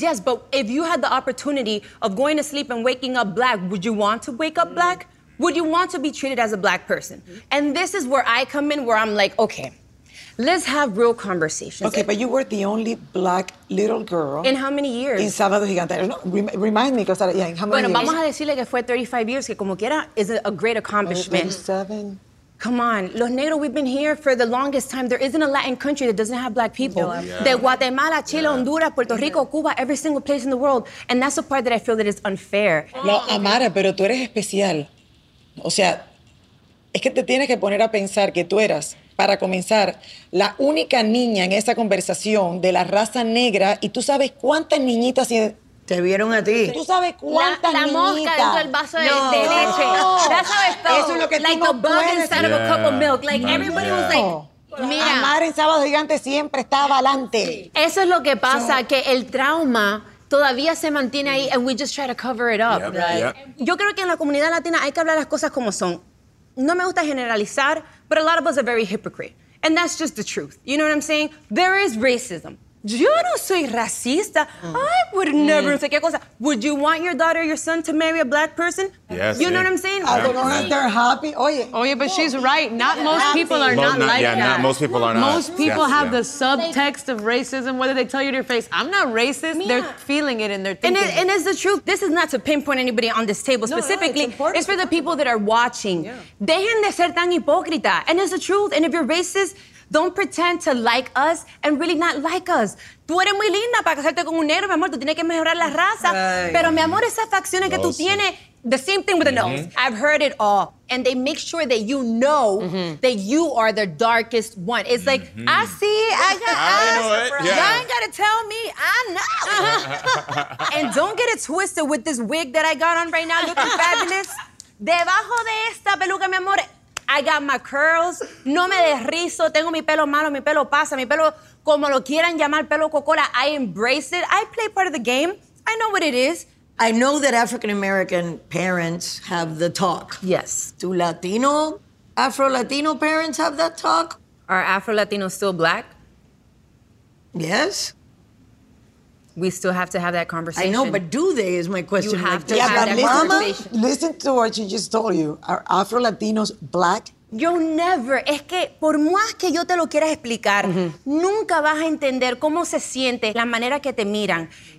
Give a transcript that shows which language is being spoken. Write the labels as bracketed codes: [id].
[en] Yes, but if you had the opportunity of going to sleep and waking up black, would you want to wake up black? Would you want to be treated as a black person? Mm-hmm. And this is where I come in, where I'm like, okay, let's have real conversations. Okay, but you were the only black little girl. In how many years? In Sábado Gigante. Remind me, because in how many years? [es] Bueno, vamos a decirle que fue [en] 35 years, [es] que como quiera, [en] is a great accomplishment. [es] 37? [en] Come on. [es] Los negros, [en] we've been here for the longest time. There isn't a Latin country that doesn't have black people. Yeah. De Guatemala, Chile, Honduras, Puerto Rico, Cuba, every single place in the world. And that's the part that I feel that is unfair. [es] No, Amara, pero tú eres especial. O sea, es que te tienes que poner a pensar que tú eras, para comenzar, la única niña en esa conversación de la raza negra, y tú sabes cuántas niñitas te vieron a ti. Tú sabes cuántas la niñitas. La mosca dentro del vaso de leche. Eso es lo que [en] like [es] tú no puedes. [en] Like the bug inside of a cup of milk. Like everybody was like, mira. [es] Amar en Sábado Gigante siempre estaba adelante. Eso es lo que pasa, que el trauma todavía se mantiene ahí, [en] and we just try to cover it up. [es] Yo creo que en la comunidad latina hay que hablar las cosas como son. No me gusta generalizar, [en] but a lot of us are very hypocrite. And that's just the truth. You know what I'm saying? There is racism. [es] Yo no soy racista. Mm. [en] I would never. [es] Mm. [en] Would you want your daughter, your son, to marry a black person? Yes. You know what I'm saying? I don't know if they're happy. Oye, but she's right. Not most people are like that. Most people have the subtext of racism, whether they tell you to your face, I'm not racist. Mia. They're feeling it and they're thinking it. And it's the truth. This is not to pinpoint anybody on this table specifically. No, it's for the people that are watching. Yeah. [es] Dejen de ser tan hipócrita. [en] And it's the truth. And if you're racist, don't pretend to like us and really not like us. [es] Tú eres muy linda para casarte con un negro, mi amor. Tú tienes que mejorar la raza. Pero, mi amor, esas facciones que tú tienes, [en] the same thing with the nose. I've heard it all. And they make sure that you know that you are the darkest one. It's like, I see, I got eyes. Y'all ain't got to tell me. I know. And don't get it twisted with this wig that I got on right now looking fabulous. [es] Debajo de esta peluca, mi amor, [en] I got my curls, [es] no me derrizo, tengo mi pelo malo, mi pelo pasa, mi pelo, como lo quieran llamar, pelo cocola, [en] I embrace it. I play part of the game. I know what it is. I know that African-American parents have the talk. Yes. Do Latino, Afro-Latino parents have that talk? Are Afro-Latinos still black? Yes. We still have to have that conversation. I know, but do they is my question. You have to have that conversation. Mama, listen to what she just told you. Are Afro-Latinos black? Yo never. [es] Es que por más que yo te lo quieras explicar, nunca vas a entender cómo se siente la manera que te miran.